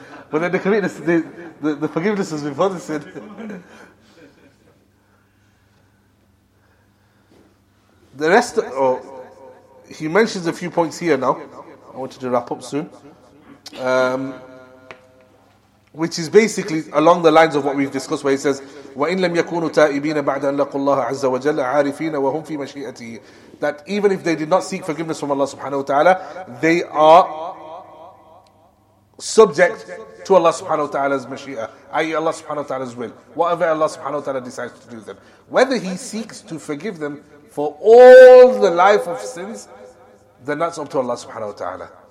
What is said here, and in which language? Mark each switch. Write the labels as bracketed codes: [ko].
[en] But then the forgiveness is before the sin. The The rest of, oh, he mentions a few points here now. I wanted to wrap up soon. Which is basically along the lines of what we've discussed, where he says, [ar] وَإِنْ لَمْ يَكُونُوا تَائِبِينَ بَعْدَ أَنْ لَقُوا اللَّهَ عَزَّ وَجَلَّ عَارِفِينَ وَهُمْ فِي مَشِيئَتِهِ. [en] That even if they did not seek forgiveness from Allah subhanahu wa ta'ala, they are subject to Allah subhanahu wa ta'ala's mashi'ah, i.e. Allah subhanahu wa ta'ala's will, whatever Allah subhanahu wa ta'ala decides to do them. Whether he seeks to forgive them for all the life of sins, then that's up to Allah subhanahu wa ta'ala.